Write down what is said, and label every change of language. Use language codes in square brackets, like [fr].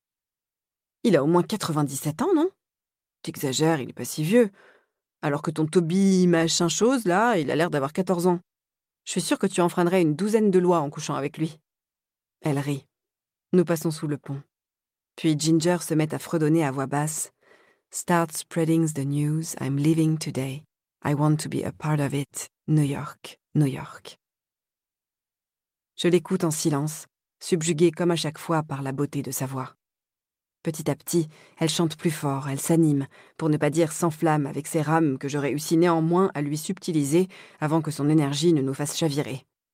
[fr] « Il a au moins 97 ans, non ? T'exagères, il est pas si vieux. Alors que ton Tobey machin chose, là, il a l'air d'avoir 14 ans. Je suis sûre que tu enfreindrais une douzaine de lois en couchant avec lui. » Elle rit. Nous passons sous le pont. Puis Ginger se met à fredonner à voix basse. [en] « Start spreading the news, I'm leaving today. I want to be a part of it. [fr] New York, New York. » Je l'écoute en silence, subjuguée comme à chaque fois par la beauté de sa voix. Petit à petit, elle chante plus fort, elle s'anime, pour ne pas dire s'enflamme avec ses rames que je réussis néanmoins à lui subtiliser avant que son énergie ne nous fasse chavirer.